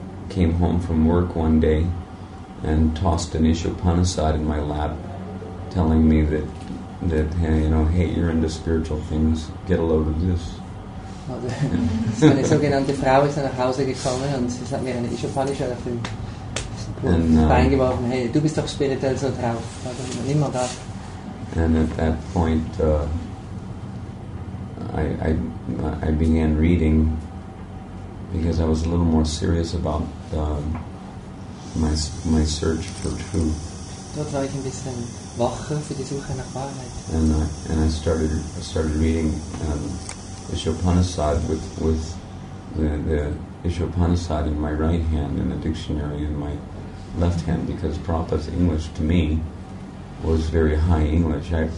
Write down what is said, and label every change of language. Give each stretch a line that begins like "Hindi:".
English: Came home from work one day and tossed an Ishopanishad in my lap, telling me that hey, you know, hey, you're into spiritual things. Get a load of this.
German: Meine sogenannte Frau ist nach Hause gekommen und sie hat mir eine Ishopanishad auf den Bein geworfen. Hey, du bist doch spirituell so drauf. Nimm mal das.
English: And at that point, I began reading because I was a little more serious about my search for truth.
German: Dort war ich ein bisschen wacher für die Suche nach Wahrheit.
English: And I started reading Ishopanishad with the Ishopanishad in my right hand and the dictionary in my left hand, because Prabhupada's English to me was very high English.